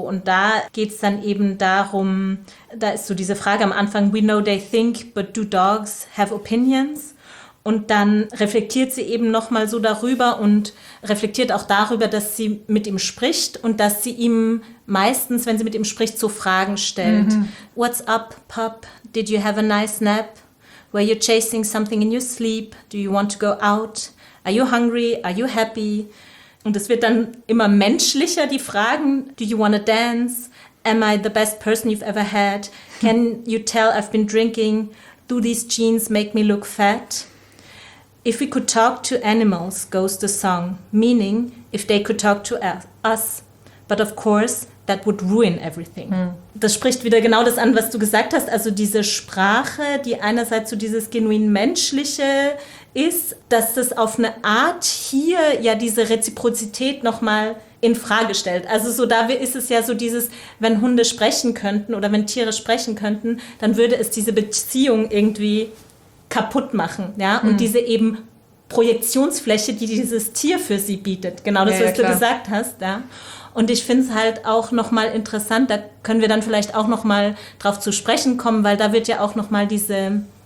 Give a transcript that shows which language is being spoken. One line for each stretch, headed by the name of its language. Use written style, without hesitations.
German: Und da geht es dann eben darum, da ist so diese Frage am Anfang,
English: we know they think, but do dogs have opinions?
German: Und dann reflektiert sie eben nochmal so darüber und reflektiert auch darüber, dass sie mit ihm spricht und dass sie ihm meistens, wenn sie mit ihm spricht, so Fragen stellt.
English: Mhm. What's up, pup? Did you have a nice nap? Were you chasing something in your sleep? Do you want to go out? Are you hungry? Are you happy?
German: Und es wird dann immer menschlicher, die Fragen.
English: Do you want to dance? Am I the best person you've ever had? Can you tell I've been drinking? Do these jeans make me look fat? If we could talk to animals, goes the song, meaning if they could talk to us, but of course that would ruin everything. Mm.
German: Das spricht wieder genau das an, was du gesagt hast, also diese Sprache, die einerseits so dieses genuin Menschliche ist, dass das auf eine Art hier ja diese Reziprozität nochmal in Frage stellt. Also so da ist es ja so dieses, wenn Hunde sprechen könnten oder wenn Tiere sprechen könnten, dann würde es diese Beziehung irgendwie kaputt machen, ja, und diese eben Projektionsfläche, die dieses Tier für sie bietet, genau das, was du gesagt hast, ja, und ich finde es halt auch nochmal interessant, da können wir dann vielleicht auch nochmal drauf zu sprechen kommen, weil da wird ja auch nochmal diese